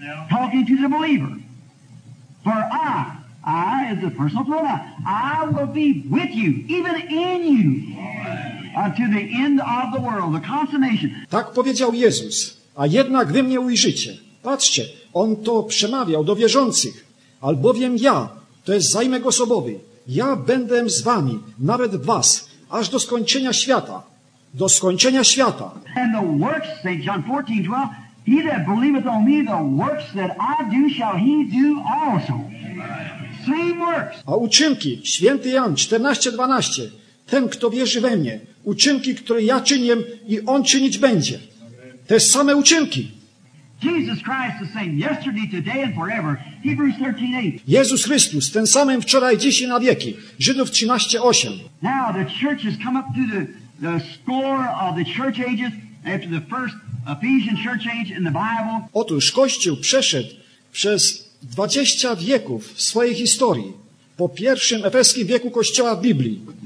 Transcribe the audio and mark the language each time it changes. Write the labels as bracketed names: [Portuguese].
[English] Talking to the believer. For I as the personal pronoun, I will be with you, even in you, until the end of the world, the consummation. [Polish] Tak powiedział Jezus. A jednak wy mnie ujrzycie. Patrzcie, on to przemawiał do wierzących. Albowiem ja, to jest zaimek osobowy, ja będę z wami, nawet was, aż do skończenia świata. Do skończenia świata. [English] And the works, St. John 14:12, he that believeth on me, the works that I do, shall he do also. Same works. [Polish] A uczynki, święty Jan 14:12, ten, kto wierzy we mnie, uczynki, które ja czynię i on czynić będzie. Te same uczynki. [English] Jesus Christ the same yesterday, today and forever. Hebrews 13:8. [Polish] Jezus Chrystus ten samym wczoraj, dziś i na wieki. Żydów 13:8. [English] Now the church has come up to the score of the church ages after the first Ephesian church age in the Bible. [Polish] Otóż Kościół przeszedł przez 20 wieków w swojej historii. Po pierwszym efeskim wieku Kościoła w Biblii.